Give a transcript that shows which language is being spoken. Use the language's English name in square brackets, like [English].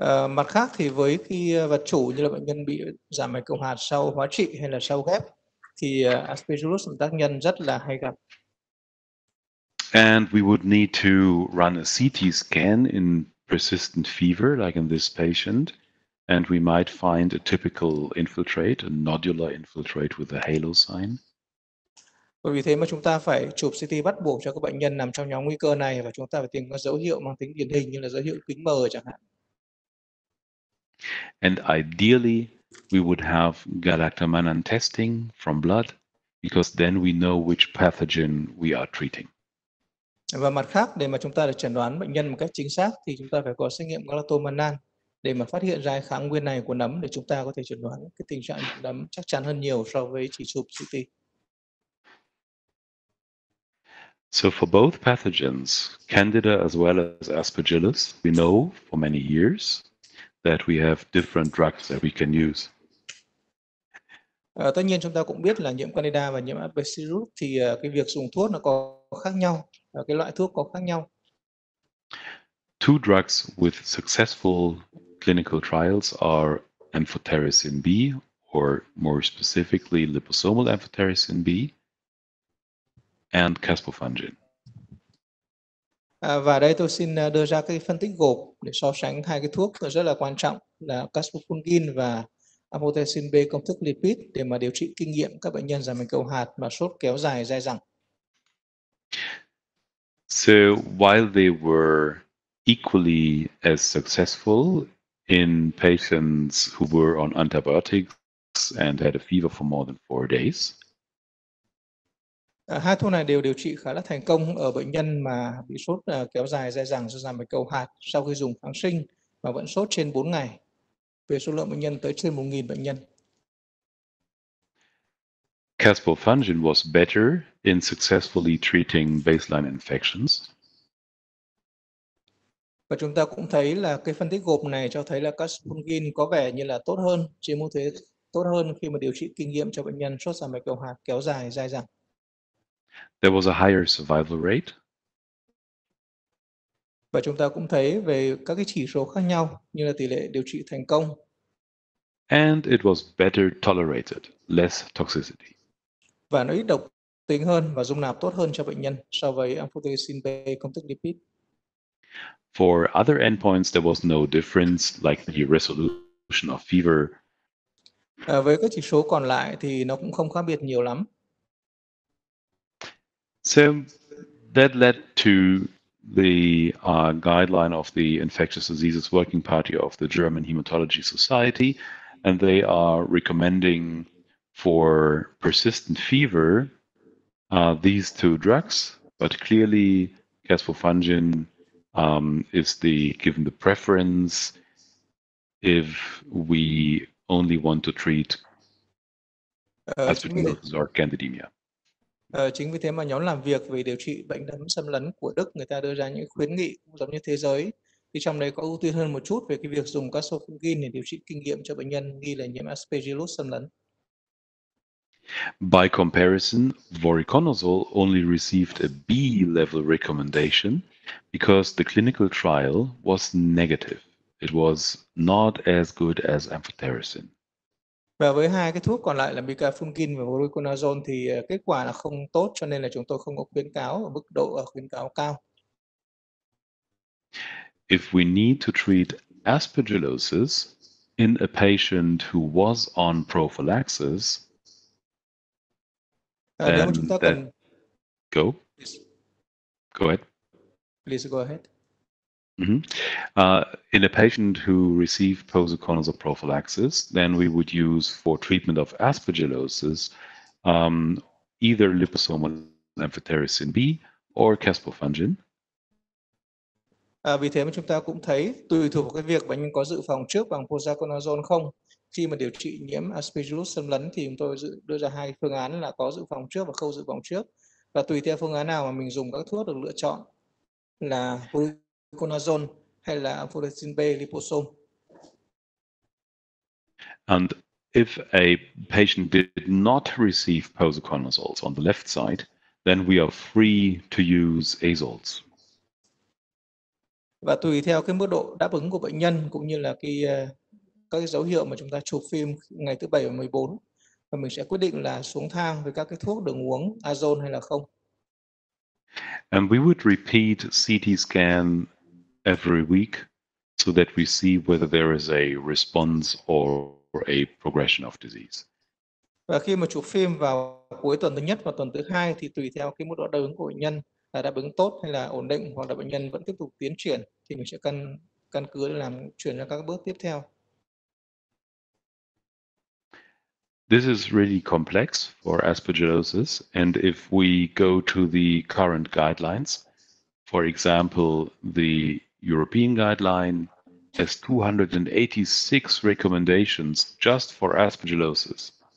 [Vietnamese] Mặt khác thì với cái vật chủ như là bệnh nhân bị giảm mạch cầu hạt sau hóa trị hay là sau ghép thì Aspergillus là tác nhân rất là hay gặp. [English] And we would need to run a CT scan in persistent fever like in this patient, and we might find a typical infiltrate, a nodular infiltrate with a halo sign. [Vietnamese] Bởi vì thế mà chúng ta phải chụp CT bắt buộc cho các bệnh nhân nằm trong nhóm nguy cơ này và chúng ta phải tìm các dấu hiệu mang tính điển hình như là dấu hiệu kính mờ chẳng hạn. [English] And ideally, we would have galactomannan testing from blood, because then we know which pathogen we are treating. [Vietnamese] Và mặt khác, để mà chúng ta được chẩn đoán bệnh nhân một cách chính xác, thì chúng ta phải có xét nghiệm galactomannan để mà phát hiện ra kháng nguyên này của nấm để chúng ta có thể chẩn đoán cái tình trạng nấm chắc chắn hơn nhiều so với chỉ chụp CT. [English] So for both pathogens, Candida as well as Aspergillus, we know for many years that we have different drugs that we can use. [Vietnamese] Tất nhiên chúng ta cũng biết là nhiễm Candida và nhiễm Aspergillus thì cái việc dùng thuốc nó có khác nhau, cái loại thuốc có khác nhau. [English] Two drugs with successful clinical trials are amphotericin B, or more specifically liposomal amphotericin B and caspofungin. [Vietnamese] Và đây tôi xin đưa ra cái phân tích gộp để so sánh hai cái thuốc rất là quan trọng là caspofungin và amphotericin B công thức lipid để mà điều trị kinh nghiệm các bệnh nhân giảm mạch cầu hạt mà sốt kéo dài dai dẳng. [English] So while they were equally as successful in patients who were on antibiotics and had a fever for more than 4 days, [Vietnamese] hai thuốc này đều điều trị khá là thành công ở bệnh nhân mà bị sốt kéo dài dai dẳng do giảm mạch cầu hạt sau khi dùng kháng sinh mà vẫn sốt trên 4 ngày. Về số lượng bệnh nhân tới trên 1.000 bệnh nhân. [English] Caspofungin was better in successfully treating baseline infections. [Vietnamese] Và chúng ta cũng thấy là cái phân tích gộp này cho thấy là caspofungin có vẻ như là tốt hơn, chỉ mô thế tốt hơn khi mà điều trị kinh nghiệm cho bệnh nhân sốt giảm mạch cầu hạt kéo dài dai dẳng. [English] There was a higher survival rate. [Vietnamese] Và chúng ta cũng thấy về các cái chỉ số khác nhau như là tỷ lệ điều trị thành công. [English] And it was better tolerated, less toxicity. [Vietnamese] Và nó ít độc tính hơn và dung nạp tốt hơn cho bệnh nhân so với amphotericin B công thức lipid. [English] For other endpoints, there was no difference, like the resolution of fever. [Vietnamese] Với các chỉ số còn lại thì nó cũng không khác biệt nhiều lắm. [English] So that led to the guideline of the Infectious Diseases Working Party of the German Hematology Society, and they are recommending for persistent fever these two drugs, but clearly caspofungin is the given the preference if we only want to treat Aspergillus or Candidemia. [Vietnamese] Chính vì thế mà nhóm làm việc về điều trị bệnh nấm xâm lấn của Đức người ta đưa ra những khuyến nghị giống như thế giới thì trong đấy có ưu tiên hơn một chút về cái việc dùng caspofungin để điều trị kinh nghiệm cho bệnh nhân nghi là nhiễm Aspergillus xâm lấn. [English] By comparison, voriconazole only received a B level recommendation because the clinical trial was negative. It was not as good as amphotericin. [Vietnamese] Và với hai cái thuốc còn lại là micafungin và voriconazole thì kết quả là không tốt cho nên là chúng tôi không có khuyến cáo ở mức độ khuyến cáo cao. [English] If we need to treat aspergillosis in a patient who was on prophylaxis, in a patient who received posaconazole prophylaxis, then we would use for treatment of aspergillosis either liposomal amphotericin B or caspofungin. [Vietnamese] Vì thế mà chúng ta cũng thấy tùy thuộc vào cái việc bệnh nhân có dự phòng trước bằng posaconazole không. Khi mà điều trị nhiễm Aspergillus xâm lấn thì chúng tôi đưa ra hai phương án là có dự phòng trước và không dự phòng trước. Và tùy theo phương án nào mà mình dùng các thuốc được lựa chọn là voriconazole hay là amphotericin B liposome. [English] And If a patient did not receive posaconazoles on the left side, then we are free to use azoles. [Vietnamese] Và tùy theo cái mức độ đáp ứng của bệnh nhân cũng như là cái các cái dấu hiệu mà chúng ta chụp phim ngày thứ 7 và 14 và mình sẽ quyết định là xuống thang với các cái thuốc đường uống azole hay là không. [English] And we would repeat CT scan every week so that we see whether there is a response or a progression of disease. [Vietnamese] Và khi mà chụp phim vào cuối tuần thứ nhất và tuần thứ hai thì tùy theo cái mức độ đáp ứng của bệnh nhân là đáp ứng tốt hay là ổn định hoặc là bệnh nhân vẫn tiếp tục tiến triển thì mình sẽ căn cứ để làm chuyển sang các bước tiếp theo. [English] This is really complex for aspergillosis, and if we go to the current guidelines, for example, the European guideline has 286 recommendations just for aspergillosis.